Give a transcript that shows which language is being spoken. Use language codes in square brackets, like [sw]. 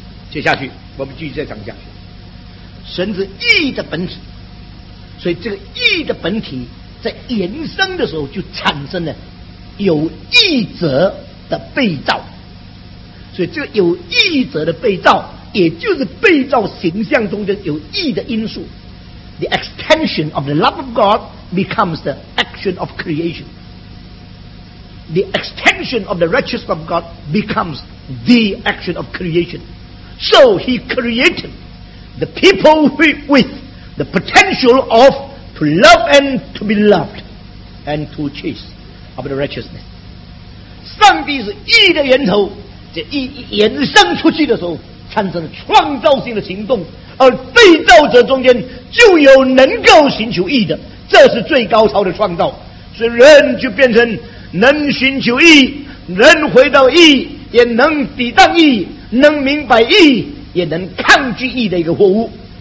[zh] 接下去我们继续再讲下去，神是义的本体，所以这个义的本体在延伸的时候就产生了有义者的被造，所以这个有义者的被造也就是被造形象中的有义的因素。 [en] The extension of the love of God becomes the action of creation. The extension of the righteousness of God becomes the action of creation. So he created the people with the potential of to love and to be loved and to chase of the righteousness. [zh] 上帝是义的源头，这一延伸出去的时候产生创造性的行动，而被造者中间就有能够寻求义的，这是最高超的创造。所以人就变成能寻求义，能回到义，也能抵挡义，能明白义，也能抗拒义的一个货物。